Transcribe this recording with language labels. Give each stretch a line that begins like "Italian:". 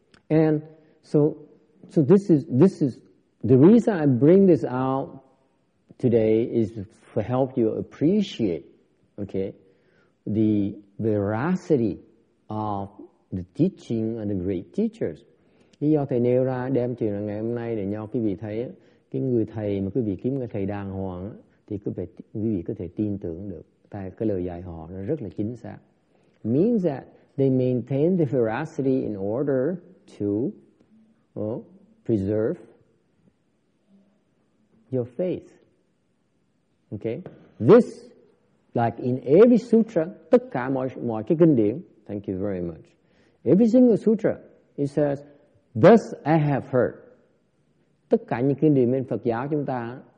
English: And so this is the reason I bring this out today is to help you appreciate, okay, the veracity of the teaching and the great teachers.
Vietnamese: Lý do thầy nêu ra đem chuyện là ngày hôm nay để cho quý vị thấy cái người thầy mà quý vị kiếm cái thầy đàng hoàng thì quý vị có thể tin tưởng được, tại cái lời dạy họ nó rất là chính xác.
English: Means that they maintain the veracity in order to preserve your faith. Okay, this like in every sutra,
Vietnamese: tất cả mọi cái kinh điển,
English: thank you very much, every single sutra it says, thus I have heard.
Vietnamese: Tất cả những kinh điển bên Phật giáo chúng ta